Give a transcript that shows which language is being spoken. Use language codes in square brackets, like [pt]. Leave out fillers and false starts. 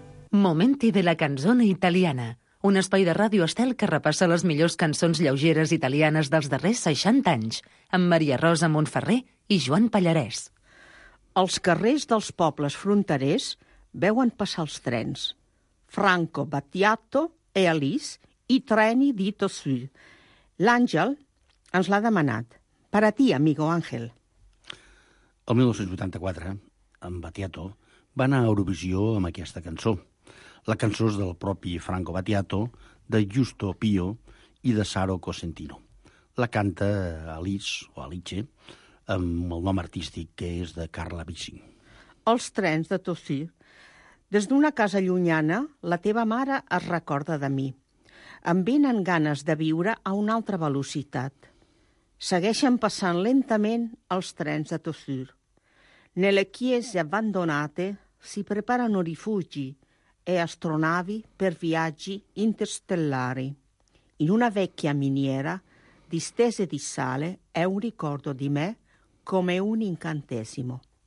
[it] Momenti della canzone italiana. [ca] Un espai de Ràdio Estel que repassa les millors cançons lleugeres italianes dels darrers 60 anys, amb Maria Rosa Montferrer i Joan Pallarès. Els carrers dels pobles fronterers veuen passar els trens. [it] Franco Battiato e Alice i Treni Dito Su. [ca] L'Àngel ens l'ha demanat. Per a ti, amigo Àngel. El 1984, en Battiato va anar a Eurovisió amb aquesta cançó. La cançó és del propi Franco Battiato, de Giusto Pio i de Saro Cosentino. La canta Alice, o Alice, amb el nom artístic que és de Carla Bissing. Els trens de Tosí. Des d'una casa llunyana, la teva mare es recorda de mi. Em venen ganes de viure a una altra velocitat. Segueixen passant lentament els trens de Tosí. [it] Nelle chiese abbandonate si preparano rifugi e astronavi per viaggi interstellari. In una vecchia miniera, distese di sale, è un ricordo di me come un incantesimo.